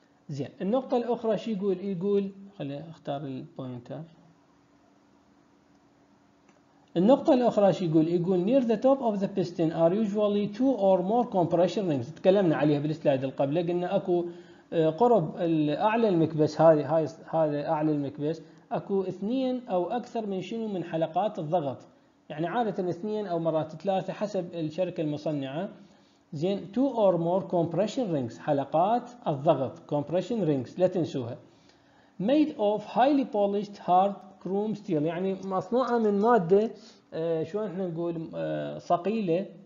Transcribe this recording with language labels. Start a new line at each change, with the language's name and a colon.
Arabic: زين، النقطة الأخرى شو يقول؟ يقول خلي أختار البوينتر. النقطة الأخرى شو يقول؟ يقول
English: near the top of the piston are usually two or more compression rings.
Arabic: تكلمنا عليها بالسلايد القبلة، قلنا أكو قرب أعلى المكبس، هذا أعلى المكبس أكو اثنين أو أكثر من شنو؟ من حلقات الضغط، يعني عادة اثنين أو مرات ثلاثة حسب الشركة المصنعة. زين،
English: two or more compression rings،
Arabic: حلقات الضغط compression rings لا تنسوها،
English: made of highly polished hard
Arabic: كروم ستيل، يعني مصنوعة من مادة شلون احنا نقول ثقيلة.